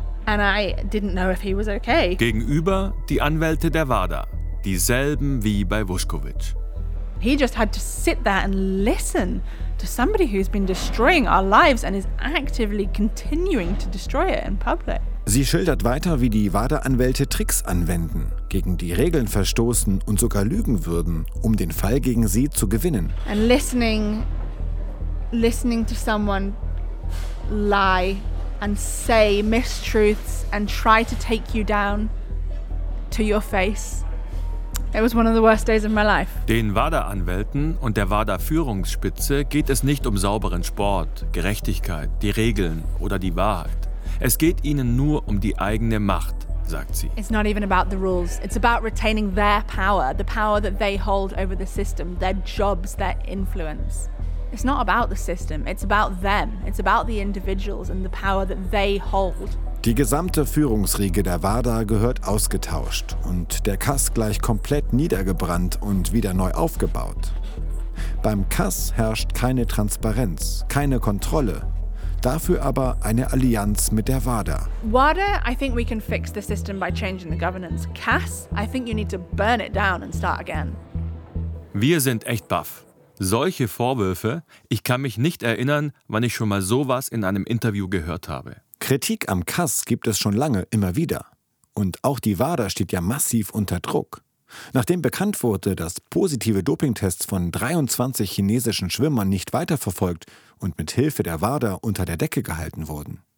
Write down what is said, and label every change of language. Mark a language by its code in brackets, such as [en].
[en] And I didn't know if he was okay. [de] Gegenüber die Anwälte der WADA, dieselben wie bei Vuskovic. [en] He just had to sit there and listen to somebody who's been destroying our lives and is actively continuing to destroy it in public. [de] Sie schildert weiter, wie die WADA-Anwälte Tricks anwenden, gegen die Regeln verstoßen und sogar lügen würden, um den Fall gegen sie zu gewinnen. [en] And listening to someone lie and say mistruths and try to take you down to your face. It was one of the worst days of my life. [de] Den WADA-Anwälten und der WADA-Führungsspitze geht es nicht um sauberen Sport, Gerechtigkeit, die Regeln oder die Wahrheit. Es geht ihnen nur um die eigene Macht, sagt sie. [en] It's not even about the rules. It's about retaining their power, the power that they hold over the system, their jobs, their influence. It's not about the system, it's about them. It's about the individuals and the power that they hold. [de] Die gesamte Führungsriege der WADA gehört ausgetauscht und der CAS gleich komplett niedergebrannt und wieder neu aufgebaut. Beim CAS herrscht keine Transparenz, keine Kontrolle. Dafür aber eine Allianz mit der WADA. [en] WADA, I think we can fix the system by changing the governance. CAS, I think you need to burn it down and start again. [de] Wir sind echt baff. Solche Vorwürfe, ich kann mich nicht erinnern, wann ich schon mal sowas in einem Interview gehört habe. Kritik am CAS gibt es schon lange immer wieder. Und auch die WADA steht ja massiv unter Druck. Nachdem bekannt wurde, dass positive Dopingtests von 23 chinesischen Schwimmern nicht weiterverfolgt und mit Hilfe der WADA unter der Decke gehalten wurden.